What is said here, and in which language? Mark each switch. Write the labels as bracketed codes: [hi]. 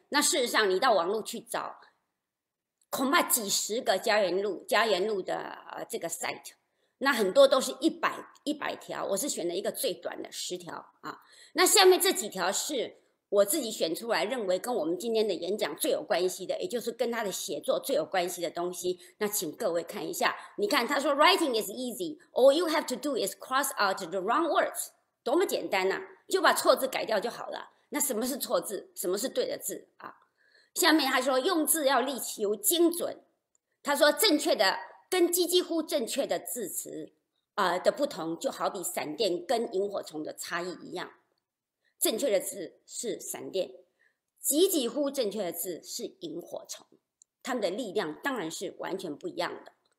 [zh] 那事实上，你到网络去找，恐怕几十个家人录的这个 site， 那很多都是100条，我是选了一个最短的10条啊。那下面这几条是我自己选出来，认为跟我们今天的演讲最有关系的，也就是跟他的写作最有关系的东西。那请各位看一下，你看他说 ， [en] writing is easy, all you have to do is cross out the wrong words， [zh] 多么简单啊，就把错字改掉就好了。那什么是错字？什么是对的字啊？下面他说，用字要力求精准。他说，正确的跟几乎正确的字词的不同，就好比闪电跟萤火虫的差异一样。正确的字是闪电，几乎正确的字是萤火虫，他们的力量当然是完全不一样的。